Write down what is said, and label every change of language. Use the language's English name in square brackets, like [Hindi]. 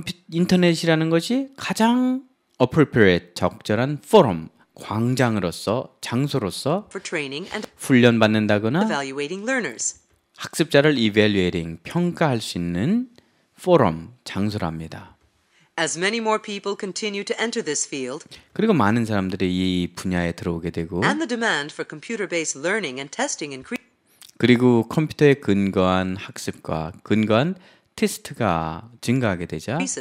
[Korean] 인터넷이라는 것이 가장 appropriate 적절한 forum 광장으로서 장소로서 [English] for training and [Korean] 훈련 받는다거나 [English] evaluating learners. [Korean] 학습자를 evaluating 평가할 수 있는 forum 장소랍니다. [English] As many more people continue to enter this field, [Korean] 그리고 많은 사람들이 이 분야에 들어오게 되고 [English] and the demand for computer-based learning and testing increase. [Korean] 그리고 컴퓨터에 근거한 학습과 근거한 테스트가 증가하게 되자